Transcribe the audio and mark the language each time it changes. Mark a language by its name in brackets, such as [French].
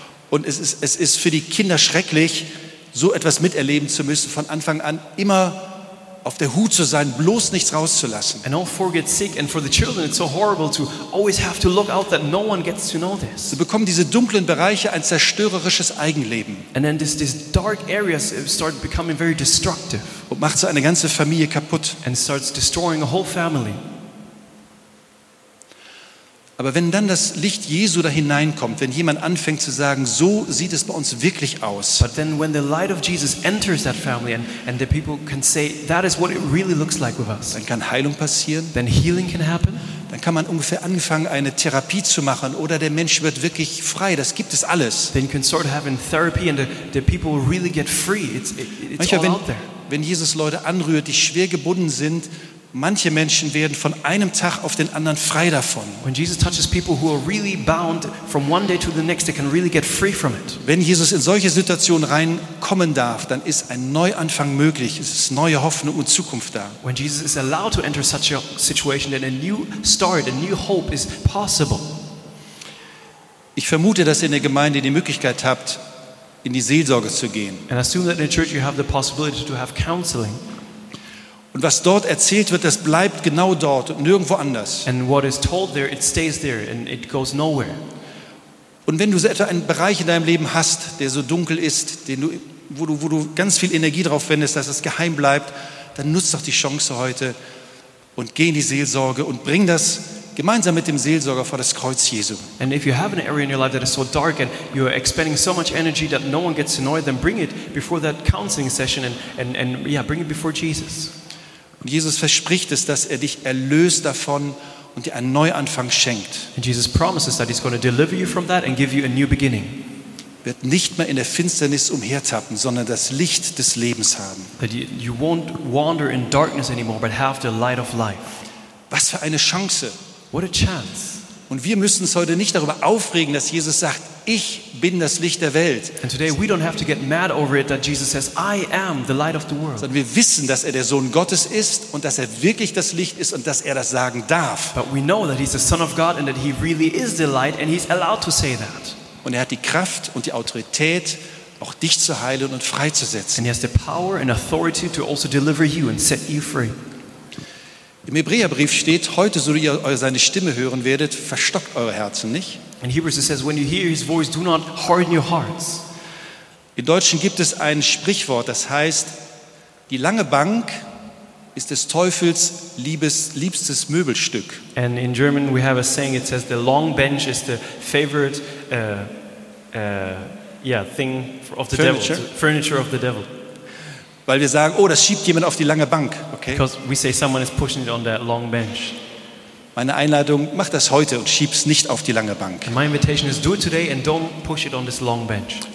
[German] Und es ist für die Kinder schrecklich, so etwas miterleben zu müssen, von Anfang an immer auf der Hut zu sein, bloß nichts rauszulassen. [English] And all four get sick, and for the children it's so horrible to always have to look out that no one gets to know this. [German] Sie bekommen diese dunklen Bereiche ein zerstörerisches Eigenleben. [English] And then these dark areas start becoming very destructive. [German] Und macht so eine ganze Familie kaputt. [English] And starts destroying a whole family. [German] Aber wenn dann das Licht Jesu da hineinkommt, wenn jemand anfängt zu sagen, so sieht es bei uns wirklich aus. [English] But then when the light of Jesus enters that family and the people can say, that is what it really looks like with us. [German] Dann kann Heilung passieren. [English] Then healing can happen. [German] Dann kann man ungefähr anfangen, eine Therapie zu machen oder der Mensch wird wirklich frei. Das gibt es alles. [English] Then you can start having therapy and the people really get free. It's [German] manchmal, [English] all out there. [German] Wenn Jesus Leute anrührt, die schwer gebunden sind, manche Menschen werden von einem Tag auf den anderen frei davon. [English] When Jesus touches people who are really bound from one day to the next, they can really get free from it. [German] Wenn Jesus in solche Situationen reinkommen darf, dann ist ein Neuanfang möglich. Es ist neue Hoffnung und Zukunft da. [English] When Jesus is allowed to enter such a situation, then a new start, a new hope is possible. [German] Ich vermute, dass ihr in der Gemeinde die Möglichkeit habt, in die Seelsorge zu gehen. [English] And I assume that in the church you have the possibility to have counseling. [German] Und was dort erzählt wird, das bleibt genau dort und nirgendwo anders. [English] And what is told there, it stays there and it goes nowhere. [German] Und wenn du so etwa einen Bereich in deinem Leben hast, der so dunkel ist, wo du ganz viel Energie drauf wendest, dass es geheim bleibt, dann nutz doch die Chance heute und geh in die Seelsorge und bring das gemeinsam mit dem Seelsorger vor das Kreuz Jesu. [English] And if you have an area in your life that is so dark and you are expending so much energy that no one gets to know it, then bring it before that counseling session and bring it before Jesus. [German] Und Jesus verspricht es, dass er dich erlöst davon und dir einen Neuanfang schenkt. [English] And Jesus promises that he's going to deliver you from that and give you a new beginning. [German] Wird nicht mehr in der Finsternis umhertappen, sondern das Licht des Lebens haben. [English] That you won't wander in darkness anymore, but have the light of life. [German] Was für eine Chance! [English] What a chance! [German] Und wir müssen uns heute nicht darüber aufregen, dass Jesus sagt, ich bin das Licht der Welt. [English] And today we don't have to get mad over it that Jesus says, I am the light of the world. [German] Sondern wir wissen, dass er der Sohn Gottes ist und dass er wirklich das Licht ist und dass er das sagen darf. [English] But we know that he's the Son of God and that he really is the light and he's allowed to say that. [German] Und er hat die Kraft und die Autorität, auch dich zu heilen und freizusetzen. [English] And he has the power and authority to also deliver you and set you free. [German] Im Hebräerbrief steht, heute so ihr seine Stimme hören werdet, verstockt eure Herzen nicht. [English] In Hebrews it says, when you hear his voice, do not harden your hearts. [German] In Deutschen gibt es ein Sprichwort, das heißt, die lange Bank ist des Teufels liebstes Möbelstück. [English] And in German we have a saying, it says, the long bench is the favorite thing of the furniture. Devil. Furniture of the devil. [German] Weil wir sagen, oh, das schiebt jemand auf die lange Bank. [English] Okay. Because we say someone is pushing it on that long bench. [German] Meine Einladung, mach das heute und schieb's nicht auf die lange Bank. [English] My invitation is do it today and don't push it on this long bench.